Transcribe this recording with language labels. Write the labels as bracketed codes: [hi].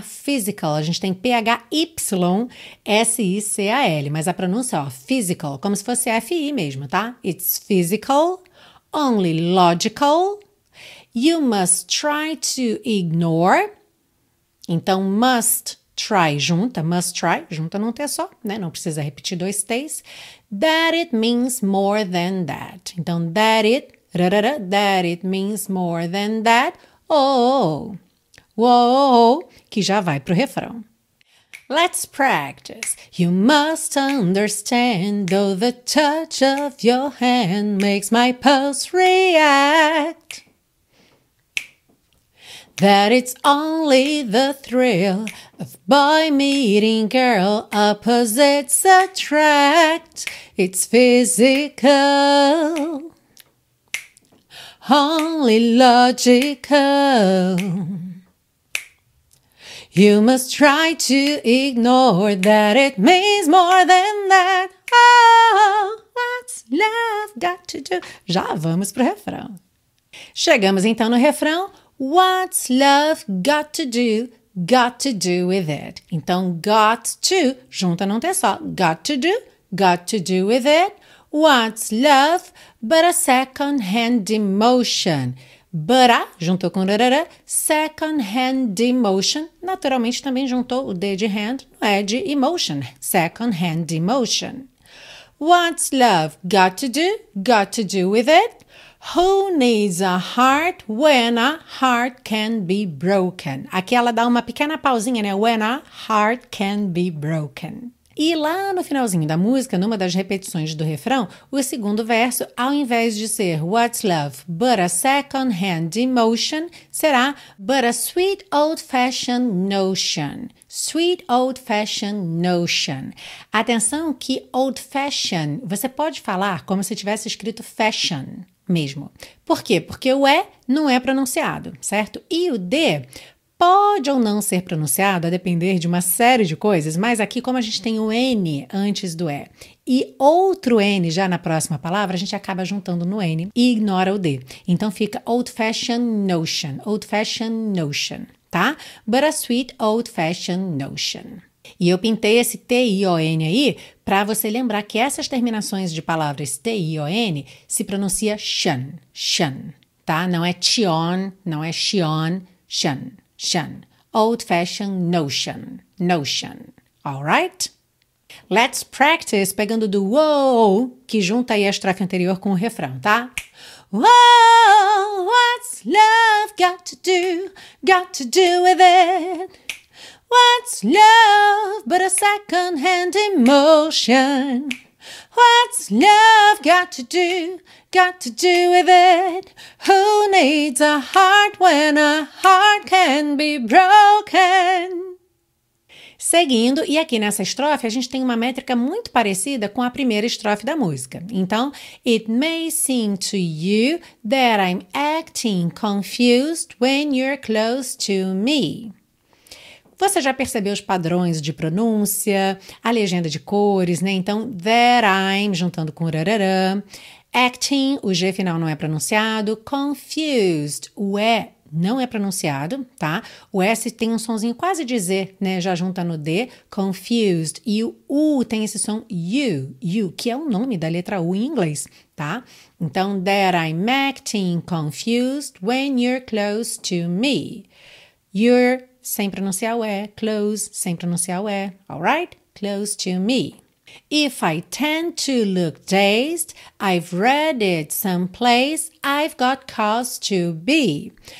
[pt] Physical, a gente tem P-H-Y-S-I-C-A-L, mas a pronúncia, ó, physical, como se fosse F-I mesmo, tá? [en] It's physical. Only logical. You must try to ignore. [pt] Então, [en] must try [pt] junta num T só, né? Não precisa repetir dois T's. [en] That it means more than that. [pt] Então, [en] that it means more than that. [pt] Oh, que já vai pro refrão. [en] Let's practice. You must understand, though the touch of your hand makes my pulse react, that it's only the thrill of boy meeting girl, opposites attract. It's physical, only logical. You must try to ignore that it means more than that. Oh, what's love got to do? [pt] Já vamos pro refrão. Chegamos então no refrão. [en] What's love got to do with it? [pt] Então, [en] got to, [pt] junta num só. [en] Got to do with it. What's love but a second-hand emotion? But a, [pt] juntou com [en] rarara, second-hand emotion. [pt] Naturalmente, também juntou o D de hand, não é de emotion. [en] Second-hand emotion. What's love got to do with it? Who needs a heart when a heart can be broken? [pt] Aqui ela dá uma pequena pausinha, né? [en] When a heart can be broken. [pt] E lá no finalzinho da música, numa das repetições do refrão, o segundo verso, ao invés de ser [en] What's love but a second-hand emotion, [pt] será [en] But a sweet old-fashioned notion. Sweet old-fashioned notion. [pt] Atenção que old-fashioned, você pode falar como se tivesse escrito fashion. Mesmo. Por quê? Porque o E não é pronunciado, certo? E o D pode ou não ser pronunciado, a depender de uma série de coisas, mas aqui, como a gente tem o N antes do E e outro N já na próxima palavra, a gente acaba juntando no N e ignora o D. Então, fica [en] old-fashioned notion, [pt] tá? [en] But a sweet old-fashioned notion. [pt] E eu pintei esse T-I-O-N aí para você lembrar que essas terminações de palavras T-I-O-N se pronuncia shan, shan, tá? Não é tion, não é xion, shan, shan. [en] Old-fashioned notion, notion, alright? Let's practice [pt] pegando do wow, que junta aí a estrofe anterior com o refrão, tá? [en] Wow, what's love got to do with it? What's love but a second-hand emotion? What's love got to do with it? Who needs a heart when a heart can be broken? [pt] Seguindo, e aqui nessa estrofe, a gente tem uma métrica muito parecida com a primeira estrofe da música. Então, [en] it may seem to you that I'm acting confused when you're close to me. [pt] Você já percebeu os padrões de pronúncia, a legenda de cores, né? Então, that I'm, juntando com rarara, acting, o G final não é pronunciado, confused, o E não é pronunciado, tá? O S tem um sonzinho quase de Z, né? Já junta no D, confused, e o U tem esse som U, U, que é o nome da letra U em inglês, tá? Então, [en] that I'm acting confused when you're close to me. [pt] You're sem pronunciar o E, close, sem pronunciar o E, [en] alright? Close to me. If I tend to look dazed, I've read it someplace, I've got cause to be.